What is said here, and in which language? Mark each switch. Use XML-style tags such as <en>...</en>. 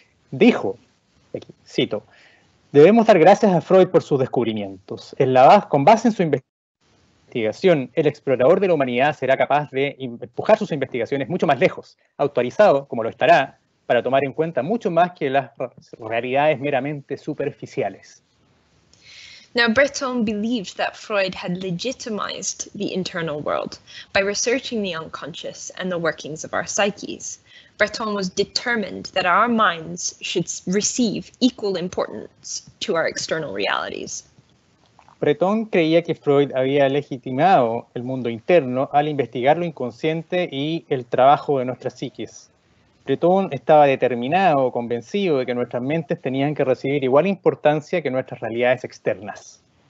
<es>Dijo, cito, "Debemos dar gracias a Freud por sus descubrimientos. Con base en su investigación, el explorador de la humanidad será capaz de empujar sus investigaciones mucho más lejos, autorizado, como lo estará, para tomar en cuenta mucho más que las realidades meramente superficiales."</es> <en>Now, Breton believed that Freud had legitimized the internal world by researching the unconscious and the workings of our psyches. Breton was determined that our minds should receive equal importance to our external realities.</en> <es>Breton creía que Freud había legitimado el mundo interno al investigar lo inconsciente y el trabajo de nuestras psiques. Breton estaba determinado, convencido de que nuestras mentes tenían que recibir igual importancia que nuestras realidades externas.</es>